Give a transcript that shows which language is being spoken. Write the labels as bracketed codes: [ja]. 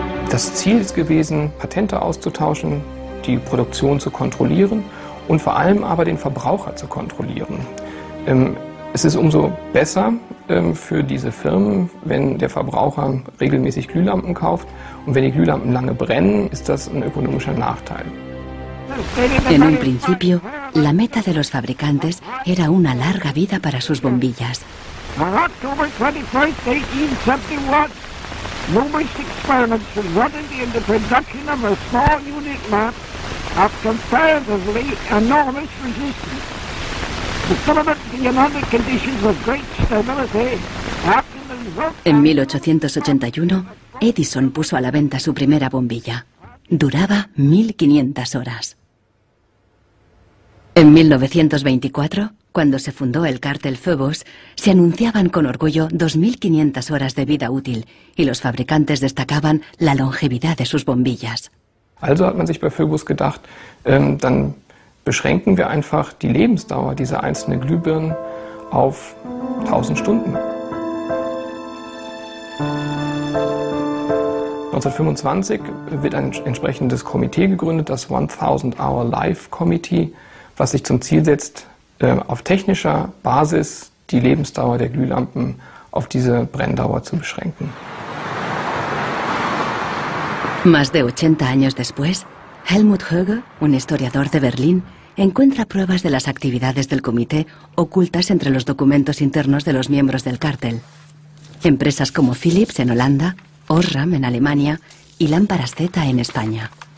[de] Das Ziel ist gewesen, Patente auszutauschen, die Produktion zu kontrollieren und vor allem aber den Verbraucher zu kontrollieren. Es ist umso besser für diese Firmen, wenn der Verbraucher regelmäßig Glühlampen kauft. Und wenn die Glühlampen lange brennen, ist das ein ökonomischer Nachteil. [es] En un principio, la meta de los fabricantes era una larga vida para sus bombillas. [en] On October 21, 1871, numerous experiments resulted in the production of a small unit lamp of comparatively enormous resistance. The filament began under conditions of great stability. After the result, [es] en 1881, Edison puso a la venta su primera bombilla. Duraba 1500 horas. En 1924, cuando se fundó el cartel Phoebus, se anunciaban con orgullo 2500 horas de vida útil y los fabricantes destacaban la longevidad de sus bombillas. [de] Also hat man sich bei Phoebus gedacht, dann beschränken wir einfach die Lebensdauer dieser einzelnen Glühbirnen auf 1000 Stunden. 1925 wird ein entsprechendes Komitee gegründet, das 1000 Hour Life Committee, was sich zum Ziel setzt, auf technischer Basis die Lebensdauer der Glühlampen auf diese Brenndauer zu beschränken. [es] Más de 80 años después, Helmut Höge, un historiador de Berlín, encuentra pruebas de las actividades del comité ocultas entre los documentos internos de los miembros del cártel. Empresas como Philips en Holanda, Osram en Alemania y Lámparas Z en España.